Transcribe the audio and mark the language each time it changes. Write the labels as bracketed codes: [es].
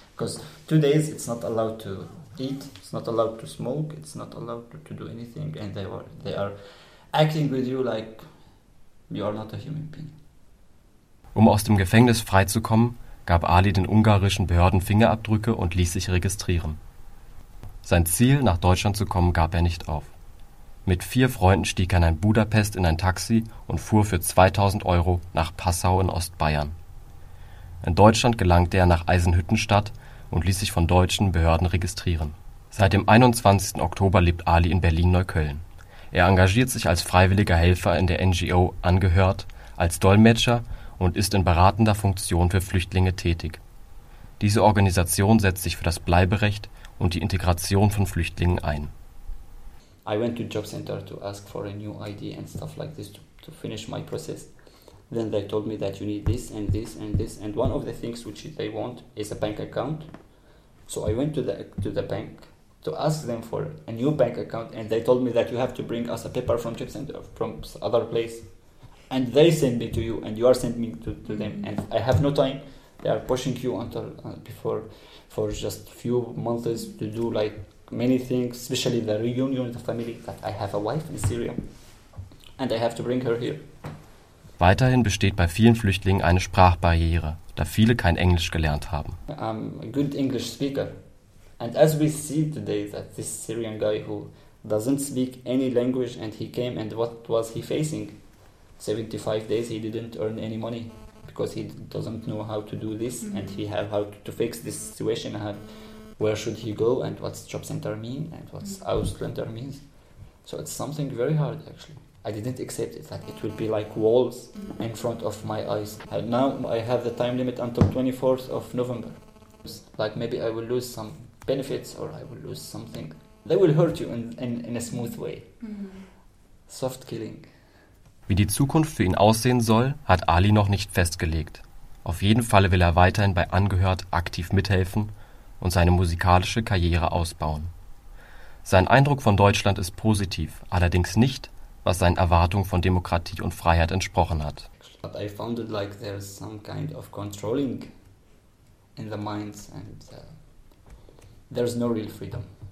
[en] Because 2 days it's not allowed to eat, it's not allowed to smoke, it's not allowed to do anything. And they are acting with you like you are not a human being. [de] Um aus dem Gefängnis freizukommen, gab Ali den ungarischen Behörden Fingerabdrücke und ließ sich registrieren. Sein Ziel, nach Deutschland zu kommen, gab er nicht auf. Mit 4 Freunden stieg er in Budapest in ein Taxi und fuhr für 2000 Euro nach Passau in Ostbayern. In Deutschland gelangte er nach Eisenhüttenstadt und ließ sich von deutschen Behörden registrieren. Seit dem 21. Oktober lebt Ali in Berlin-Neukölln. Er engagiert sich als freiwilliger Helfer in der NGO Angehört, als Dolmetscher und ist in beratender Funktion für Flüchtlinge tätig. Diese Organisation setzt sich für das Bleiberecht und die Integration von Flüchtlingen ein. [en] I went to job center to ask for a new ID and stuff like this to finish my process. Then they told me that you need this and this and this. And one of the things which they want is a bank account. So I went to the bank to ask them for a new bank account. And they told me that you have to bring us a paper from job center, from other place. And they send me to you and you are sending me to them. And I have no time. They are pushing you until before for just few months to do like many things, especially the reunion of the family, that I have a wife in Syria and I have to bring her here. [de] Weiterhin besteht bei vielen Flüchtlingen eine Sprachbarriere, da viele kein Englisch gelernt haben. [en] I'm a good English speaker. And as we see today that this Syrian guy who doesn't speak any language and he came and what was he facing? 75 days he didn't earn any money because he doesn't know how to do this and he have how to fix this situation. Where should he go and what's job center mean and what's Ausländer means? So it's something very hard actually. I didn't accept it, that it will be like walls in front of my eyes. And now I have the time limit until 24th of November. Like maybe I will lose some benefits or I will lose something. They will hurt you in a smooth way. Soft killing. [de] Wie die Zukunft für ihn aussehen soll, hat Ali noch nicht festgelegt. Auf jeden Fall will er weiterhin bei Angehört aktiv mithelfen und seine musikalische Karriere ausbauen. Sein Eindruck von Deutschland ist positiv, allerdings nicht, was seinen Erwartungen von Demokratie und Freiheit entsprochen hat. [en] But I found it like there's some kind of controlling in the minds and there's no real freedom.